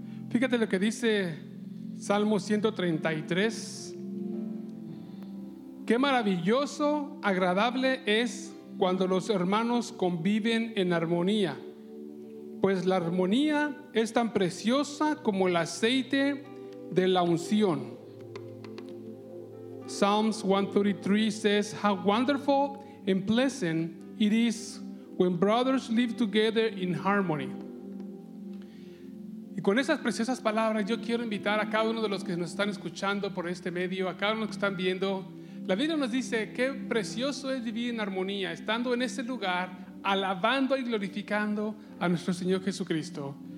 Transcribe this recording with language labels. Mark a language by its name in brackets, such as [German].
[Spanish] Fíjate lo que dice Salmo 133. Qué maravilloso, agradable es cuando los hermanos conviven en armonía, pues la armonía es tan preciosa como el aceite de la unción. [English] Psalms 133 says, how wonderful and pleasant it is when brothers live together in harmony. [Spanish] Y con esas preciosas palabras, yo quiero invitar a cada uno de los que nos están escuchando por este medio, a cada uno que están viendo. La Biblia nos dice qué precioso es vivir en armonía, estando en ese lugar, alabando y glorificando a nuestro Señor Jesucristo.